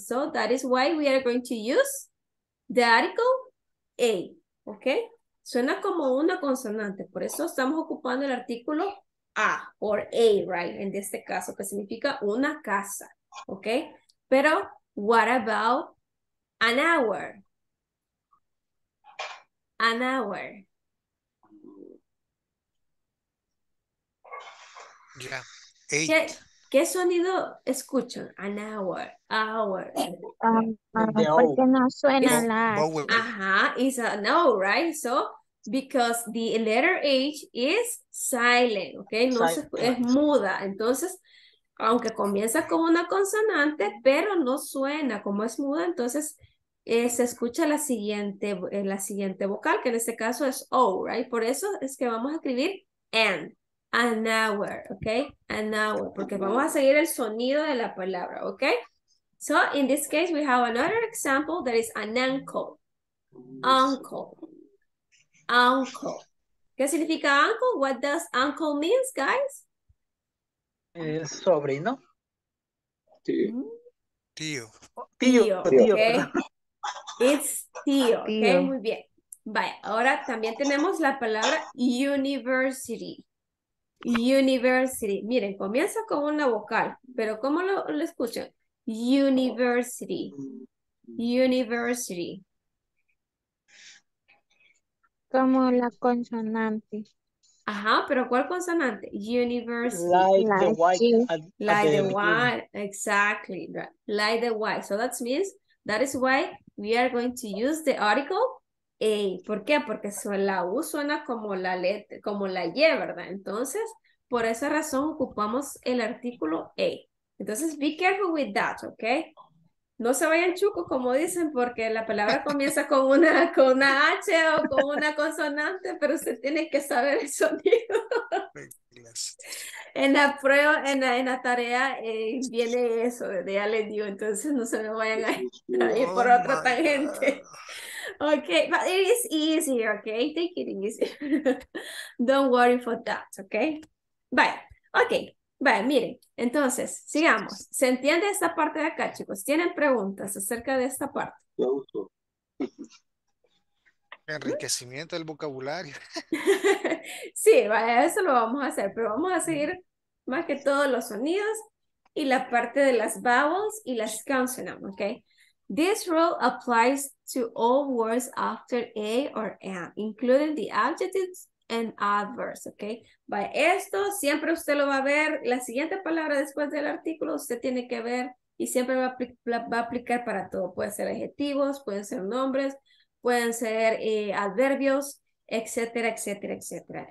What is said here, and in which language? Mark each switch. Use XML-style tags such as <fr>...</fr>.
<en>So that is why we are going to use the article A, okay?</en> <es>Suena como una consonante. Por eso estamos ocupando el artículo A, or A, right? En este caso, que significa una casa, okay?</es> <en>Pero, what about an hour? An hour. Yeah. Eight.</en> <es>¿Qué sonido escuchan?</es> <en>An hour. Hour.</en> <es>Porque no suena la.</es> <en>Ajá, it's a no, right? So, because the letter H is silent, okay? No silent.</en> <es>Es muda. Entonces, aunque comienza como una consonante, pero no suena como es muda, entonces se escucha la siguiente vocal, que en este caso es O, right? Por eso es que vamos a escribir N. An hour, okay? An hour, porque vamos a seguir el sonido de la palabra, okay?</es> <en>So, in this case, we have another example that is an uncle. Uncle. Uncle.</en> <es>¿Qué significa uncle?</es> <en>What does uncle mean, guys?</en> <es>El sobrino. Tío. Mm-hmm. Tío. Tío. Tío, okay?</es> <en>It's tío, okay?</en> <es>Tío. Muy bien. Vaya, ahora también tenemos la palabra university.</es> <en>University.</en> <es>Miren, comienza con una vocal, pero ¿cómo lo escuchan?</es> <en>University. University.</en> <es>Como la consonante. Ajá, pero ¿cuál consonante? University.</es> <en>Like the white. Exactly. Like the white. So that means, that is why we are going to use the article A.</en> <es>¿Por qué? Porque la U suena como la letra, como la Y, ¿verdad? Entonces, por esa razón ocupamos el artículo A. Entonces,</es> <en>be careful with that,</en> <es>¿ok? No se vayan chucos, como dicen, porque la palabra comienza con una H o con una consonante, pero usted tiene que saber el sonido. En la prueba, en la tarea, viene eso, ya les digo, entonces no se me vayan a ir por otra tangente.</es> <en>Ok, but it is easier, ¿ok? Take it easy. Don't worry for that, ¿ok?</en> <es>Vaya, ok, vaya, miren, entonces, sigamos. ¿Se entiende esta parte de acá, chicos? ¿Tienen preguntas acerca de esta parte? Enriquecimiento del vocabulario. Sí, vaya, eso lo vamos a hacer, pero vamos a seguir más que todo los sonidos y la parte de las vowels y las consonants, ok.</es> <en>This rule applies to all words after A or M, including the adjectives and adverbs, okay?</en> <es>By esto, siempre usted lo va a ver, la siguiente palabra después del artículo, usted tiene que ver, y siempre va a aplicar para todo, pueden ser adjetivos, pueden ser nombres, pueden ser adverbios, etcétera, etcétera, etcétera.</es>